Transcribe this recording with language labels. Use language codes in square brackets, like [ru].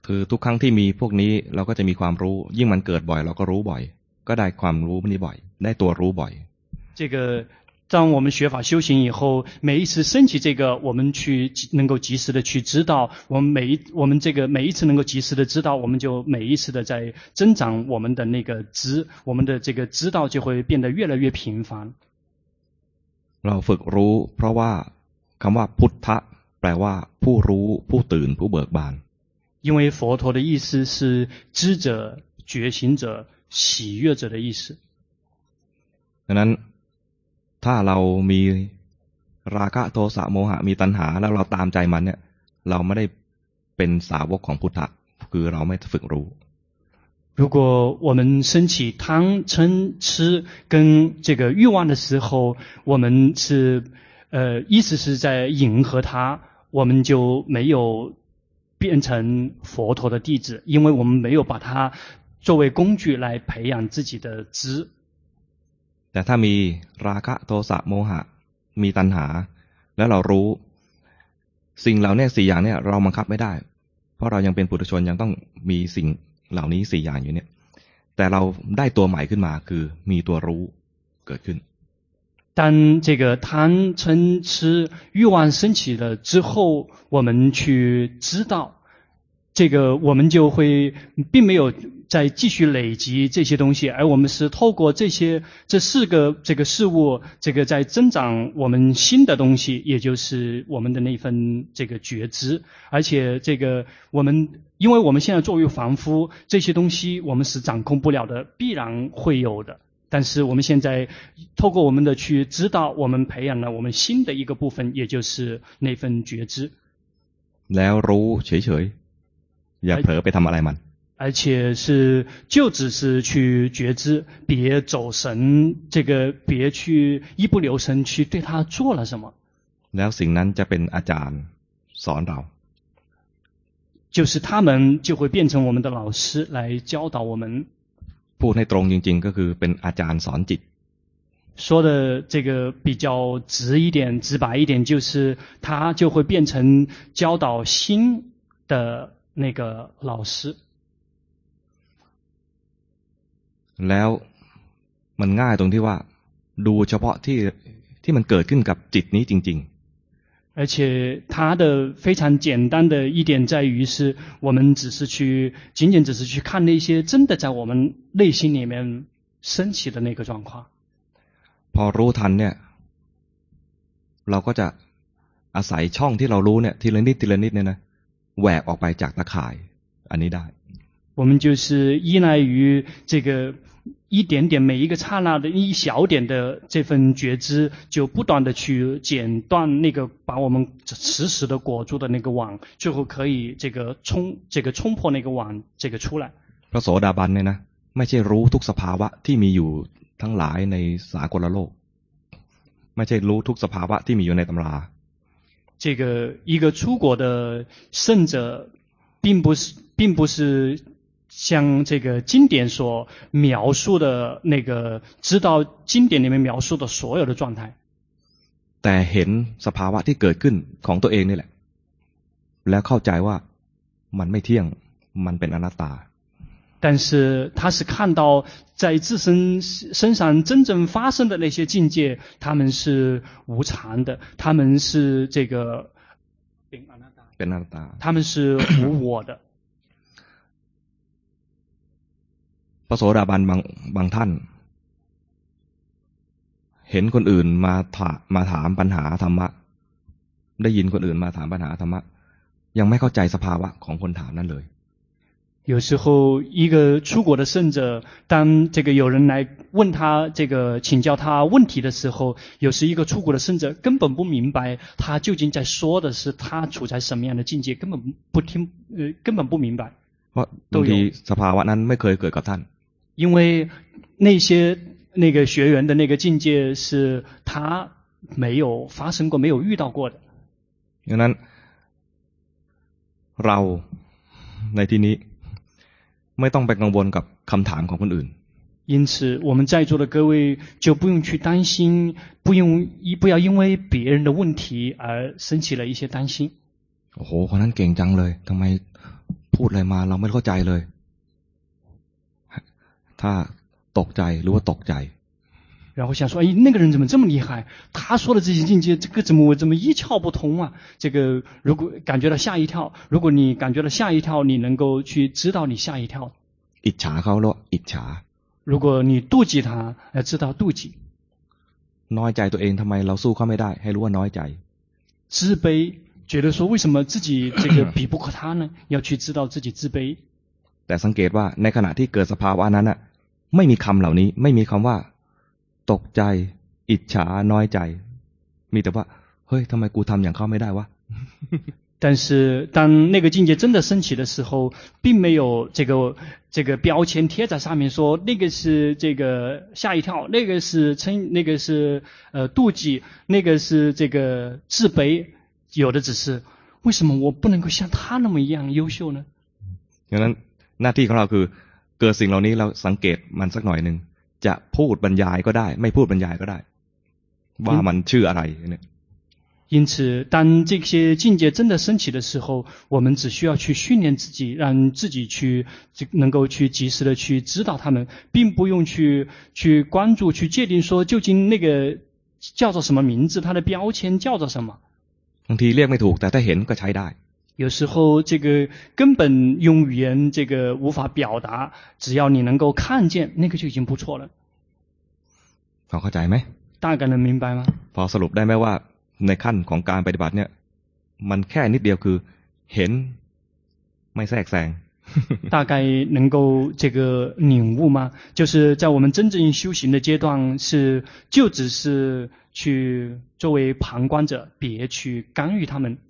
[th] ทุกครั้งที่มีพวกนี้เราก็จะมีความรู้ยิ่งมันเกิดบ่อยเราก็รู้บ่อยก็ได้ความรู้นี้บ่อยได้ตัวรู้บ่อย [zh] 这个当我们学法修行以后每一次升起这个我们去能够及时的去知道我们这个每一次能够及时的知道我们就每一次的在增长我们的那个知我们的这个知道就会变得越来越频繁 [th] เราฝึกรู้เพราะว่าคำว่าพุทธะแปลว่าผู้รู้ผู้ตื่นผู้เบิกบาน [zh] 因为佛陀的意思是知者觉醒者喜悦者的意思 [th] ดังนั้นถ้าเรามีราคะโทสะโมหะมีตัณหาแล้วเราตามใจมันเนี่ยเราไม่ได้เป็นสาวกของพุทธะคือเราไม่ฝึกรู้ [zh] 如果我们升起贪嗔痴跟这个欲望的时候，我们是意思是在迎合他，我们就没有变成佛陀的弟子，因为我们没有把它作为工具来培养自己的知。 [th] แต่ถ้ามีราคะโทสะโมหะมีตัณหาแล้วเรารู้สิ่งเหล่านี้สี่อย่างเนี่ยเราบังคับไม่ได้เพราะเรายังเป็นปุถุชนยังต้องมีสิ่งเหล่านี้สี่อย่างอยู่เนี่ยแต่เราได้ตัวใหม่ขึ้นมาคือมีตัวรู้เกิดขึ้น [zh] 但这个贪嗔痴欲望升起了之后，我们去知道，这个我们就会并没有再继续累积这些东西，而我们是透过这四个这个事物，这个在增长我们新的东西，也就是我们的那份这个觉知。而且这个我们，因为我们现在作为凡夫，这些东西我们是掌控不了的，必然会有的。但是我们现在透过我们的去知道，我们培养了我们新的一个部分，也就是那份觉知。 [th] แล้วรู้เฉยๆ อย่าเผลอไปทำอะไรมัน [zh] 而且是就只是去觉知，别走神，这个别去一不留神去对他做了什么。 [th] แล้วสิ่งนั้นจะเป็นอาจารย์สอนเรา [zh] 就是他们就会变成我们的老师来教导我们。 [th] พูดให้ตรงจริงๆก็คือเป็นอาจารย์สอนจิต [zh] 说的这个比较直一点直白一点就是他就会变成教导心的那个老师 [th] แล้วมันง่ายตรงที่ว่าดูเฉพาะที่มันเกิดขึ้นกับจิตนี้จริงๆ [zh] 而且他的非常简单的一点在于是我们只是去仅仅只是去看那些真的在我们内心里面升起的那个状况 [th] พอรู้ทันเนี่ยเราก็จะอาศัยช่องที่เรารู้เนี่ยทีละนิดทีละนิดเนี่ยนะแหวกออกไปจากตะข่ายอันนี้ได้ [zh] 我们就是依赖于这个一点点每一个刹那的一小点的这份觉知就不断的去剪断那个把我们死死的裹住的那个网最后可以冲破那个网这个出来 [th] พระโสดาบันเนี่ยนะไม่ใช่รู้ทุกสภาวะที่มีอยู่ทั้งหลายในสากลโลกไม่ใช่รู้ทุกสภาวะที่มีอยู่ในตำรา [zh] 这个一个出国的圣者并不是像这个经典所描述的那个知道经典里面描述的所有的状态 [th] แต่เห็นสภาวะที่เกิดขึ้นของตัวเองนี่แหละแล้วเข้าใจว่ามันไม่เที่ยงมันเป็นอนัตตา [zh] 但是他是看到在自身身上真正发生的那些境界他们是无常的他们是这个 [th] เป็นอนัตตา [zh] 他们是无我的 [th] พระโสดาบันบางท่านเห็นคนอื่นมาถามปัญหาธรรมะได้ยินคนอื่นมาถามปัญหาธรรมะยังไม่เข้าใจสภาวะของคนถามนั้นเลย [zh] 有时候一个出国的圣者当这个有人来问他这个请教他问题的时候有时一个出国的圣者根本不明白他究竟在说的是他处在什么样的境界根本不明白 [th] เพราะบางทีสภาวะนั้นไม่เคยเกิดกับท่าน [zh] 因为那些那个学员的那个境界是他没有发生过没有遇到过的 [th] ดังนั้นเราในที่นี้ไม่ต้องไปกังวลกับคำถามของคนอื่น [zh] 因此我们在座的各位就不用去担心不要因为别人的问题而生起了一些担心 [th] โอ้โหคนนั้นเก่งจังเลยทำไมพูดอะไรมาเราไม่เข้าใจเลยถ้าตกใจหรือว่าตกใจ [zh] 然后想说哎那个人怎么这么厉害他说的这些境界这个怎么一窍不通啊这个如果感觉到吓一跳如果你感觉到吓一跳你能够去知道你吓一跳 [th] อิจฉาเขาหรออิจฉา [zh] 如果你妒忌他要知道妒忌 [th] น้อยใจตัวเองทำไมเราสู้เขาไม่ได้ให้รู้ว่าน้อยใจ [zh] 自卑觉得说为什么自己这个比不过他呢要去知道自己自卑 [th] แต่สังเกตว่าในขณะที่เกิดสภาวะนั้นไม่มีคำเหล่านี้ไม่มีคำว่าตกใจอิจฉาน้อยใจมีแต่ว่าเฮ้ยทำไมกูทำอย่างเขาไม่ได้วะ [zh] 但是当那个境界真的升起的时候，并没有这个标签贴在上面说那个是这个吓一跳，那个是嗔，那个是妒忌，那个是这个自卑，有的只是为什么我不能够像他那么一样优秀呢？ [th] ฉะนั้นหน้าที่ของเราคือเกิดสิ่งเหล่านี้เราสังเกตมันสักหน่อยหนึ่งจะพูดบรรยายก็ได้ไม่พูดบรรยายก็ได้ว่ามันชื่ออะไรเนี่ย [zh] 因此当这些境界真的升起的时候我们只需要去训练自己让自己去能够去及时的去指导他们并不用去关注去界定说究竟那个叫做什么名字它的标签叫做什么 [th] บางทีเรียกไม่ถูกแต่ถ้าเห็นก็ใช้ได้ [zh] 有时候这个根本用语言这个无法表达只要你能够看见那个就已经不错了 [th] พอเข้าใจไหม [zh] 大概能明白吗 [th] พอสรุปได้ไหมว่าในขั้นของการปฏิบัติเนี่ยมันแค่นิดเดียวคือเห็นไม่แทรกแซง [zh] 大概能够这个领悟吗就是在我们真正修行的阶段是就只是去作为旁观者别去干预他们